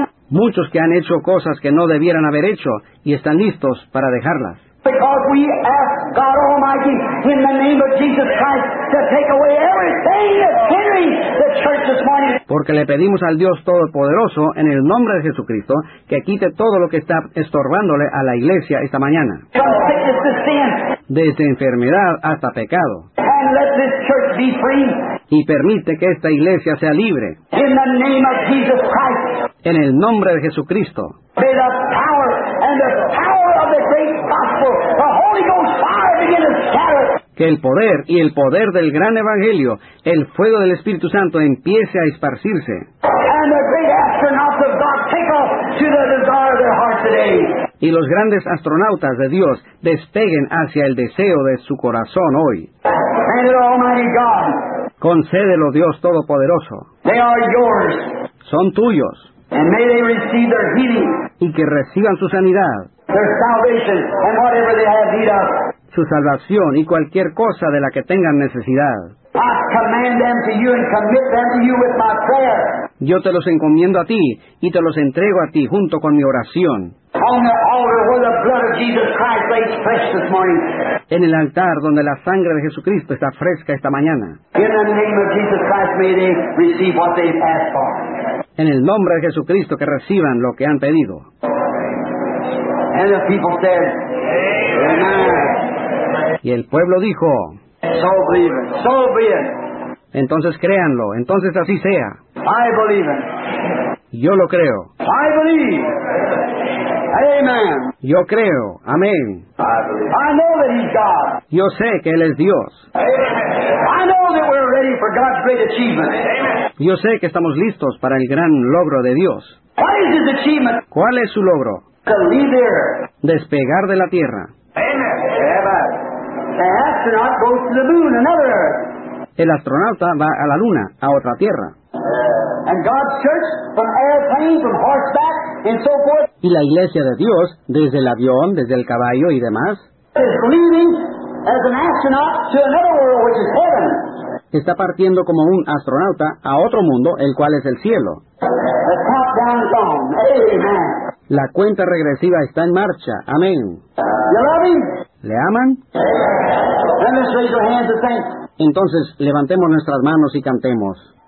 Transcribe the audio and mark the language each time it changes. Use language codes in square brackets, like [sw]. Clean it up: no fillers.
[es] Muchos que han hecho cosas que no debieran haber hecho y están listos para dejarlas. [en] Because we ask God Almighty in the name of Jesus Christ to take away everything that's hindering the church this morning. [es] Porque le pedimos al Dios Todopoderoso en el nombre de Jesucristo que quite todo lo que está estorbándole a la iglesia esta mañana. [en] From sickness to sin. [es] Desde enfermedad hasta pecado. [en] And let this church be free. [es] Y permite que esta iglesia sea libre. [en] In the name of Jesus Christ. [es] En el nombre de Jesucristo. [en] May the power and the power of the great gospel, the Holy Ghost fire begin to scatter. [es] Que el poder y el poder del gran evangelio, el fuego del Espíritu Santo, empiece a esparcirse. [en] And the great astronauts of God take off to the desire of their heart today. [es] Y los grandes astronautas de Dios despeguen hacia el deseo de su corazón hoy. [en] And the Almighty God. [es] Concédelo, Dios Todopoderoso. [en] They are yours. [es] Son tuyos. [en] And may they receive their healing. [es] Y que reciban su sanidad. [en] Their salvation and whatever they have need of. [es] Su salvación y cualquier cosa de la que tengan necesidad. [en] I command them to you and commit them to you with my prayer. [es] Yo te los encomiendo a ti y te los entrego a ti junto con mi oración. [en] On the altar where the blood of Jesus Christ lays fresh this morning. [es] En el altar donde la sangre de Jesucristo está fresca esta mañana. [en] In the name of Jesus Christ, may they receive what they asked for. [es] En el nombre de Jesucristo, que reciban lo que han pedido. [en] And the people said, amen. [es] Y el pueblo dijo, [en] so believe it. So be it. [es] Entonces créanlo, entonces así sea. [en] I believe it. [es] Yo lo creo. [en] I believe. Amen. [es] Yo creo. Amén. [en] I know that he's God. [es] Yo sé que Él es Dios. [en] I know that we're ready for God's great achievement. [es] Yo sé que estamos listos para el gran logro de Dios. [en] What is his achievement? [es] ¿Cuál es su logro? [en] To leave the earth. [es] Despegar de la tierra. [en] Amen. The astronaut goes to the moon, another earth. [es] El astronauta va a la luna, a otra tierra. [en] And God's church, from airplanes, from horseback, and so forth. [es] Y la iglesia de Dios, desde el avión, desde el caballo y demás, [en] is leaving as an astronaut to another world, which is heaven. [es] Está partiendo como un astronauta a otro mundo, el cual es el cielo. [en] The countdown is on. Amen. [es] La cuenta regresiva está en marcha. Amén. [en] You love him? [es] ¿Le aman? [en] Let us raise your hands and thank. [es] Entonces, levantemos nuestras manos y cantemos.